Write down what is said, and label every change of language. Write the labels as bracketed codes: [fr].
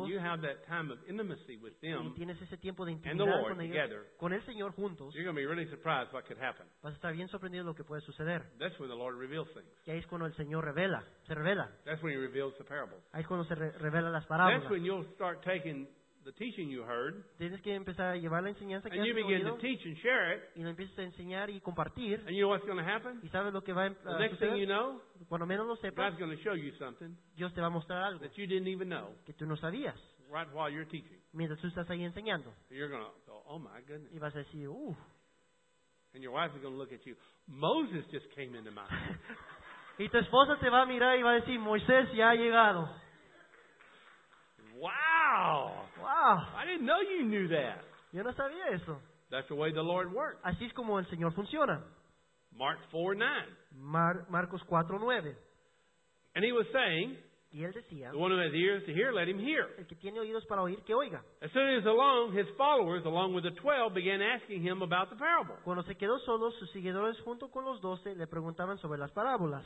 [en] and you have that time of intimacy with them, [es] y tienes ese tiempo de intimidad [en] and the Lord [es] con ellos, [en] together, [es] con el Señor juntos, [en] you're going to be really surprised what could happen. [es] Vas a estar bien sorprendido lo que puede suceder. [en] That's when the Lord reveals things. [es] Y ahí es cuando el Señor se revela. [en] That's when he reveals the parables. [es] Ahí es cuando se revela las parábolas. [en] That's when you'll start taking the teaching you heard, [es] tienes que empezar a llevar la enseñanza que [en] and you begin [es] oído, [en] to teach and share it, [es] y lo empiezas a enseñar y compartir, [en] and you know what's going to happen? [es] Y sabes lo que va a suceder? [en] The next thing you know, [es] cuando menos lo sepas, [en] God's going to show you something, [es] Dios te va a mostrar algo [en] that you didn't even know, [es] que tú no sabías, [en] right while you're teaching, [es] mientras tú estás ahí enseñando. [en] And you're going to go, oh my goodness. [es] Y vas a decir, uff. [en] And your wife is going to look at you, Moses just came into my house. [es] Y tu esposa te va a mirar y va a decir, Moisés ya ha llegado. [en] Wow! I didn't know you knew that. [es] Yo no sabía eso. [en] That's the way the Lord works. [es] Así es como el Señor funciona. [en] Mark 4:9. [es] Marcos 4:9. [en] And he was saying, [es] y él decía, [en] the one who has ears to hear, let him hear. [es] El que tiene oídos para oír, que oiga. [en] As soon as along, his followers, along with the 12, began asking him about the parable. [es] Cuando se quedó solo, sus seguidores junto con los 12 le preguntaban sobre las parábolas.